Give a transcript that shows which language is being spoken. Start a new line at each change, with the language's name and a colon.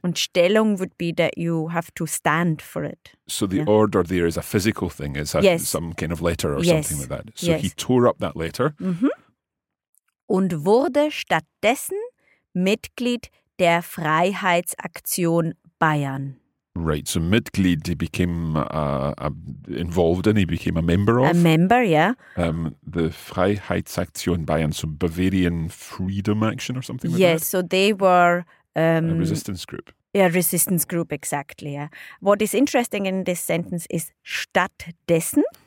English: And Stellung would be that you have to stand for it. So the order there is a physical thing, is some kind of letter or something like that. So he tore up that letter.
German: Und wurde stattdessen Mitglied der Freiheitsaktion Bayern.
English: Right, so Mitglied, he became involved in, he became a member of. A member, yeah. The Freiheitsaktion Bayern, so Bavarian Freedom Action or something like that? Yes, so they were... a resistance group. Yeah, resistance group, exactly, yeah. What is interesting in this sentence is stattdessen.